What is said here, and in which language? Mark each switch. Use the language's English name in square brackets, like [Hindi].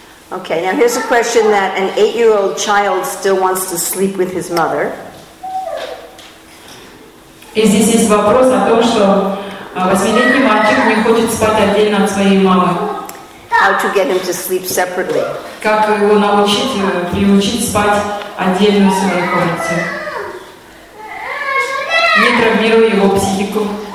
[English] Okay, now here's a question that an 8-year-old child still wants to sleep with his mother. [Russian] И здесь есть вопрос о том, что 8-летний мальчик не хочет спать отдельно от своей мамы. [English] How to get him to sleep separately? [Russian] Как его научить, приучить спать отдельно в своей комнате? Не травмируя его психику.